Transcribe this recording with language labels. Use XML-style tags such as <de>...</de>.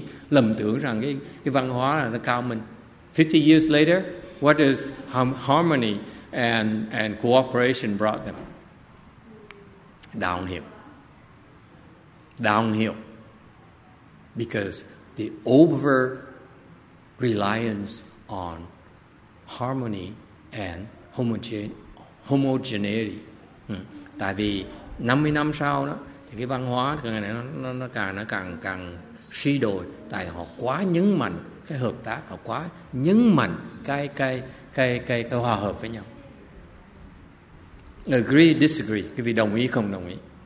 <vi>Lầm tưởng rằng cái văn hóa là nó cao mình.</vi> <en>50 years later, what is harmony and cooperation brought them? Downhill. Because the over reliance on harmony and homogeneity.</en> <vi>Tại vì 50 năm sau đó thì cái văn hóa nó càng suy đồi, tại họ quá nhấn mạnh cái hợp tác, họ quá nhấn mạnh cái hòa hợp với nhau.</vi> <en>Agree, disagree,</en> <vi>cái vị đồng ý không đồng ý?</vi>